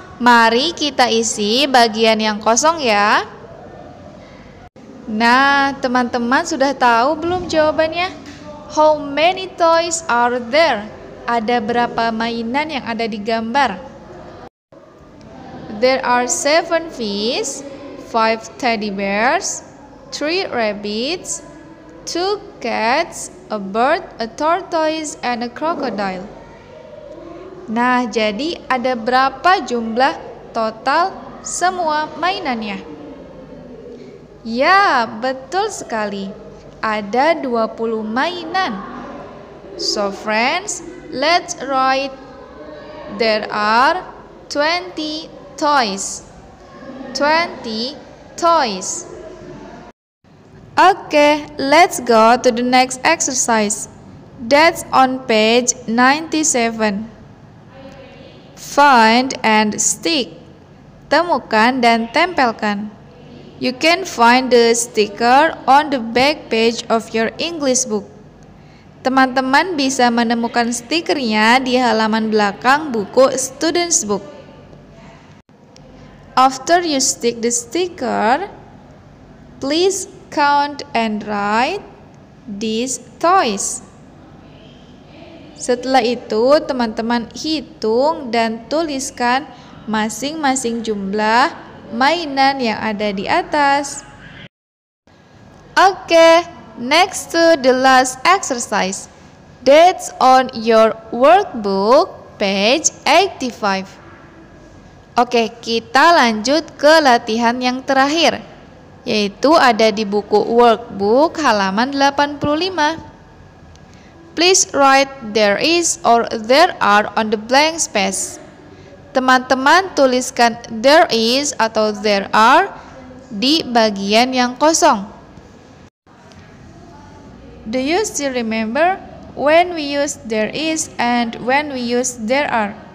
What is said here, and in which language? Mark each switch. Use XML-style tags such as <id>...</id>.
<id>Mari kita isi bagian yang kosong ya. Nah, teman-teman sudah tahu belum jawabannya?</id> <en>How many toys are there?</en> <id>Ada berapa mainan yang ada di gambar?</id> <en>There are 7 fish, 5 teddy bears, 3 rabbits, 2 cats, a bird, a tortoise, and a crocodile.</en> <id>Nah, jadi ada berapa jumlah total semua mainannya? Ya, betul sekali. Ada 20 mainan.</id> <en>So friends, let's write. There are 20 toys. 20 toys. Okay, let's go to the next exercise. That's on page 97. Find and stick.</en> <id>Temukan dan tempelkan.</id> <en>You can find the sticker on the back page of your English book.</en> <id>Teman-teman bisa menemukan stikernya di halaman belakang buku student's book.</id> <en>After you stick the sticker, please count and write these toys.</en> <id>Setelah itu, teman-teman hitung dan tuliskan masing-masing jumlah mainan yang ada di atas.</id> <en>Okay, next to the last exercise. That's on your workbook, page 85.</en> <id>Okay, kita lanjut ke latihan yang terakhir, yaitu ada di buku workbook halaman 85.</id> <en>Please write there is or there are on the blank space.</en> <id>Teman-teman tuliskan</id> <en>there is</en> <id>atau</id> <en>there are</en> <id>di bagian yang kosong.</id> <en>Do you still remember when we use there is and when we use there are?</en>